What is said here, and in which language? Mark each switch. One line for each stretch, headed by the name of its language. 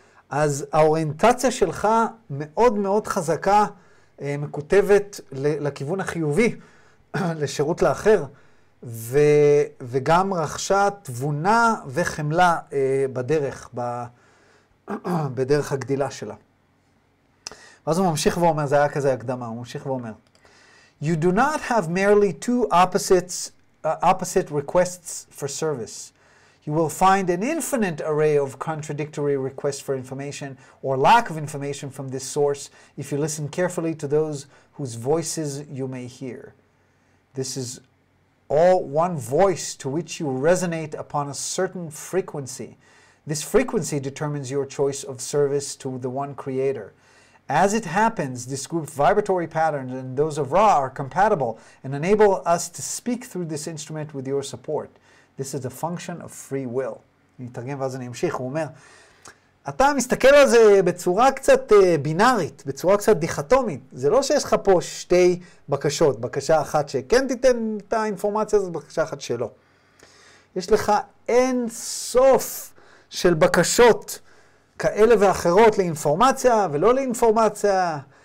Hebrew: אז האוריינטציה שלך מאוד מאוד חזקה, מקוטבת לכיוון החיובי, לשירות לאחר, וגם רכשה תבונה וחמלה בדרך הגדילה שלה. ואז הוא ממשיך ואומר, זה היה כזה הקדמה, הוא ממשיך ואומר,
English: You do not have merely two opposite requests for service. You will find an infinite array of contradictory requests for information or lack of information from this source if you listen carefully to those whose voices you may hear. This is all one voice to which you resonate upon a certain frequency. This frequency determines your choice of service to the one creator. As it happens, this group's vibratory patterns and those of Ra are compatible and enable us to speak through this instrument with your support. This is a function of free will.
Hebrew: אני אתרגם ואז אני אמשיך, הוא אומר, אתה מסתכל על זה בצורה קצת בינארית, בצורה קצת דיכטומית. זה לא שיש לך פה שתי בקשות, בקשה אחת שכן תיתן את האינפורמציה, זאת בקשה אחת שלא. יש לך אין סוף של בקשות כאלה ואחרות לאינפורמציה ולא לאינפורמציה.